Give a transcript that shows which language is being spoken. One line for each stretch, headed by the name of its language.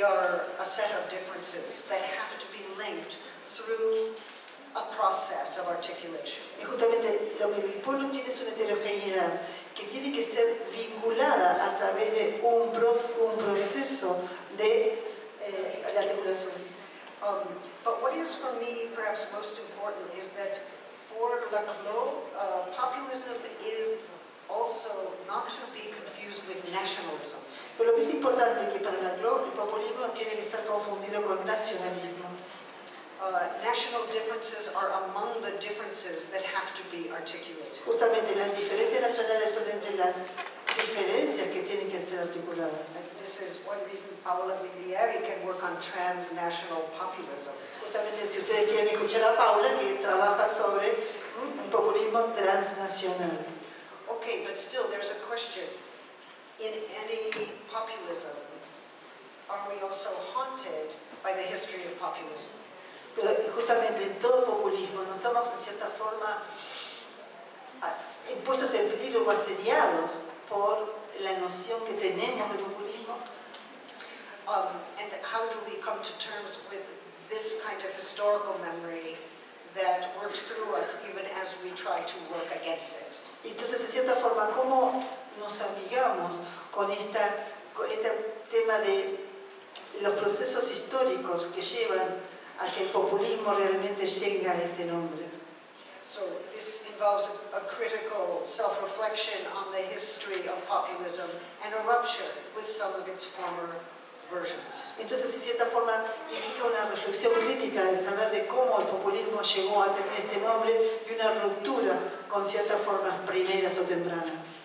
English: They are a set of differences that have to be linked through a process of articulation.
Spanish: Y justamente lo que el pueblo tiene es una heterogeneidad que tiene que ser vinculada a través de un proceso de articulación.
English: But what is for me perhaps most important is that for Laclau, populism is also not to be confused with nationalism.
Spanish: Pero lo que es importante que para Laclau el populismo no tiene que estar confundido con nacionalismo.
English: National differences are among the differences that have to be articulated.
Spanish: Justamente las diferencias nacionales son entre las diferencias que tienen que ser articuladas.
English: And this is one reason Paola Viglieri can work on transnational populism.
Spanish: Justamente si ustedes quieren escuchar a Paola que trabaja sobre un populismo transnacional.
English: Okay, but still there's a question. In any populism, are we also haunted by the history of populism?
Spanish: Pero justamente en todo populismo no estamos en cierta forma puestos en peligro o asediados por la noción que tenemos de populismo.
English: And how do we come to terms with this kind of historical memory that works through us even as we try to work against it?
Spanish: Entonces, en cierta forma, ¿cómo nos amigamos con este tema de los procesos históricos que llevan a que el populismo realmente llegue a este nombre?
English: So, this involves a critical self-reflection on the history of populism and a rupture with some of its former versions.
Spanish: Entonces, en cierta forma, implica una reflexión crítica de saber de cómo el populismo llegó a tener este nombre y una ruptura con ciertas formas primeras o tempranas.